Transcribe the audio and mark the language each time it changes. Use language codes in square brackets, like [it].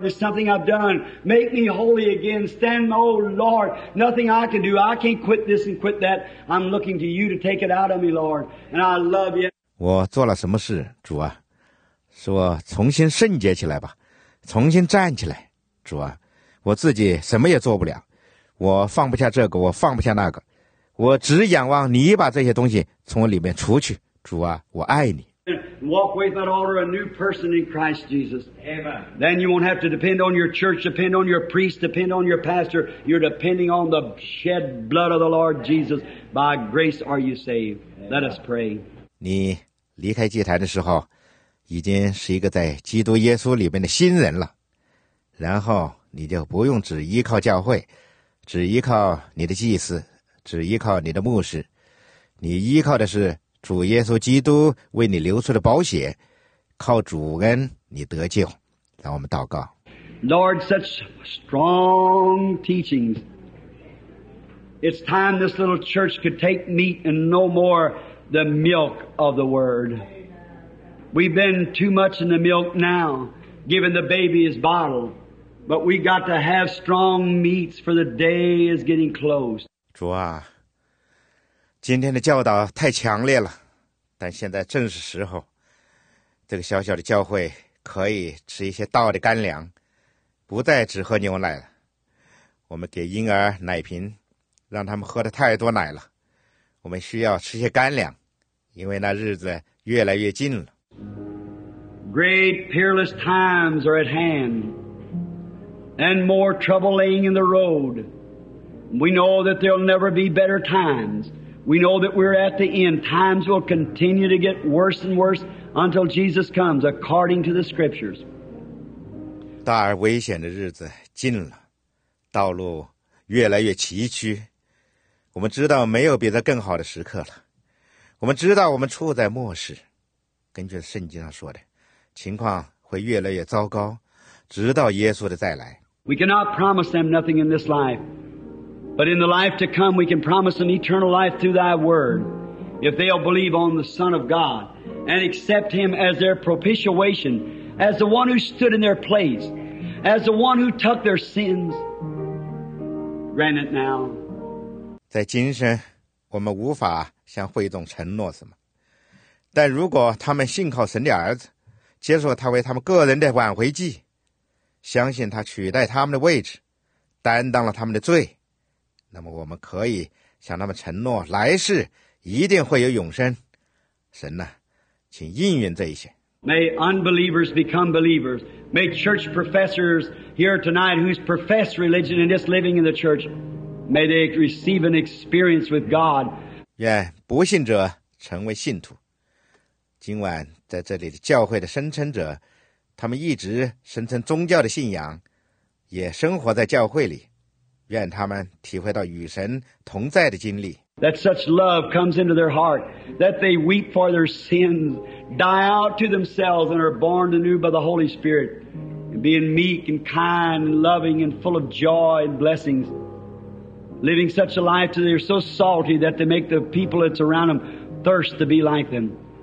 [en] There's something I've done. Make me holy again. Stand, oh Lord, nothing I can do. I can't quit this and quit that. I'm looking to you to take it out of me, Lord. And I love you. [zh] 我做了什么事，主啊？是我重新圣洁起来吧，重新站起来，主啊！我自己什么也做不了，我放不下这个，我放不下那个，我只仰望你把这些东西从我里面除去，主啊！我爱你。 [en] and walk away from that altar a new person in Christ Jesus. Amen. Then you won't have to depend on your church, depend on your priest, depend on your pastor. You're depending on the shed blood of the Lord Jesus. By grace are you saved. Let us pray. [zh] 你离开祭坛的时候，已经是一个在基督耶稣里面的新人了。然后你就不用只依靠教会，只依靠你的祭司，只依靠你的牧师，你依靠的是主耶稣基督为你流出的宝血，靠主恩你得救。让我们祷告。 [en] Lord, such strong teachings. It's time this little church could take meat and no more the milk of the word. We've been too much in the milk now, giving the baby his bottle, but we got to have strong meats for the day is getting close. [zh] 主啊，今天的教导太强烈了，但现在正是时候，这个小小的教会可以吃一些道的干粮，不再只喝牛奶了。我们给婴儿奶瓶，让他们喝的太多奶了，我们需要吃些干粮，因为那日子越来越近了。 [en] Great perilous times are at hand, and more trouble laying in the road. We know that there'll never be better times. We know that we're at the end. Times will continue to get worse and worse until Jesus comes, according to the scriptures. [zh] 大而危险的日子近了，道路越来越崎岖。我们知道没有比这更好的时刻了。我们知道我们处在末世，根据圣经上说的，情况会越来越糟糕，直到耶稣的再来。 [en] We cannot promise them nothing in this life. But in the life to come, we can promise an eternal life through thy word, if they'll believe on the Son of God and accept him as their propitiation, as the one who stood in their place, as the one who took their sins. Grant it now. [zh] 在今生，我们无法向会众承诺什么，但如果他们信靠神的儿子，接受他为他们个人的挽回祭，相信他取代他们的位置，担当了他们的罪，那么我们可以向他们承诺，来世一定会有永生。神呐，请应允这一些。 [en] May unbelievers become believers. May church professors here tonight who's professed religion and just living in the church, may they receive an experience with God. [zh] 愿不信者成为信徒。今晚在这里的教会的声称者，他们一直声称宗教的信仰，也生活在教会里。愿他们体会到与神同在的经历。 [en] That such love comes into their heart, that they weep for their sins, die out to themselves, and are born anew by the Holy Spirit, and being meek and kind and loving and full of joy and blessings, living such a life till they're so salty that they make the people that's around them thirst to be like them.